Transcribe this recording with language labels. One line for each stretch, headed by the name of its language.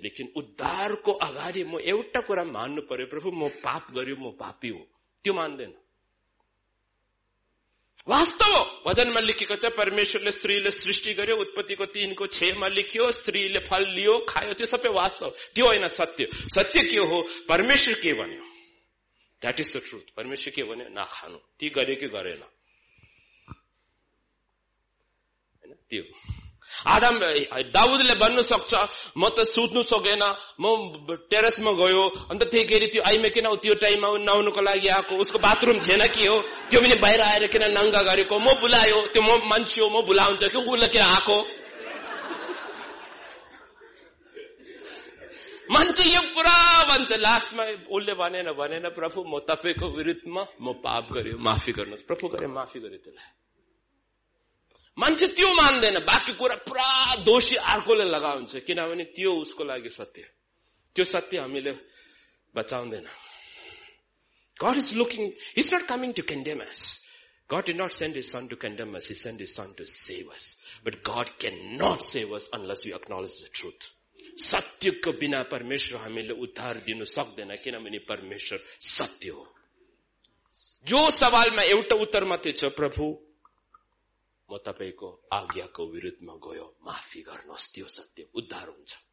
Nepali: लेकिन उद्धारको अगाडि म एउटा कुरा मान्नु पर्यो, प्रभु म पाप गर्यो म पापी हो, त्यो मान्दैन। वास्तव भजनमा लेखेको छ परमेश्वरले स्त्रीले सृष्टि गर्यो, उत्पत्तिको 3:6 लेखियो, स्त्रीले फल लियो खायो, त्यो सबै वास्तव, त्यो होइन सत्य। सत्य के हो, परमेश्वर के भन्यो,
English: That is the truth.
Nepali: परमेश्वर के भन्यो, नखानु, ती गरे कि गरेन, होइन त्यो आदम दाउदले भन्नु सक्छ म त सुत्नु सकेन, म टेरसमा गयो अन्त त्यही के अरे त्यो आइमा किन त्यो टाइममा नुहाउनुको लागि आएको, उसको बाथरुम थिएन कि हो, त्यो पनि बाहिर आएर किन नङ्गा गरेको, म बुलायो त्यो म मान्छे हो म बुलाउँछ कि उसलाई किन आएको, मान्छे यो पुरा भन्छ लास्टमा उसले भनेन भनेन प्रभु म तपाईँको विरुद्धमा म पाप गर्यो माफी गर्नुहोस्, प्रभु गरे माफी गर्यो त्यसलाई, मान्छे त्यो मान्दैन, बाँकी कुरा पुरा दोषी अर्कोले लगाउँछ, किनभने त्यो उसको लागि सत्य, त्यो सत्य हामीले बचाउँदैन।
English: God is looking, he's not coming to condemn us. God did not send his son to condemn us, he sent his son to save us. But God cannot save us unless we acknowledge the truth.
Nepali: सत्यको बिना परमेश्वर हामीले उद्धार दिनु सक्दैन, किनभने परमेश्वर सत्य हो। जो सवालमा एउटा उत्तर मात्रै छ, प्रभु म तपाईँको आज्ञाको विरुद्धमा गयो माफी गर्नुहोस्, त्यो सत्य उद्धार हुन्छ।